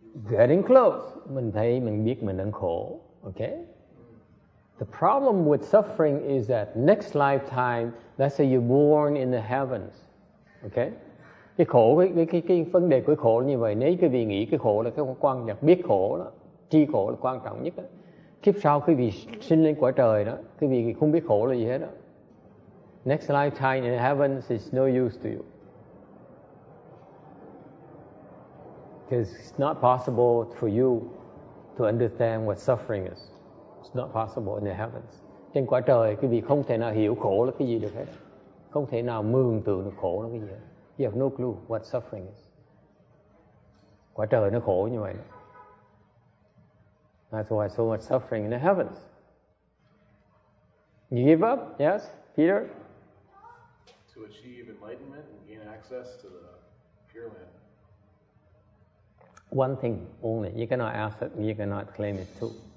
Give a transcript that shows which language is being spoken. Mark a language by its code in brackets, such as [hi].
[en] Getting close. [vi] Mình thấy mình biết mình đang khổ. [en] Okay. The problem with suffering is that next lifetime, let's say you're born in the heavens. Okay. [vi] Cái khổ, cái vấn đề của khổ là như vậy. Nếu quý vị nghĩ cái khổ là cái quan trọng, biết khổ đó, tri khổ là quan trọng nhất đó. Kiếp sau quý vị sinh lên quả trời đó, quý vị không biết khổ là gì hết đó. [en] Next lifetime in heaven is no use to you. Because it's not possible for you to understand what suffering is. It's not possible in the heavens. [vi] Trên quả trời quý vị không thể nào hiểu khổ là cái gì được hết. Không thể nào mường tượng được khổ là cái gì hết. [en] You have no clue what suffering is. [vi] Quả trời nó khổ như vậy đó. [en] That's why so much suffering in the heavens. You give up? Yes, Peter? to achieve enlightenment and gain access to the Pure Land? One thing only. You cannot ask it, you cannot claim it too.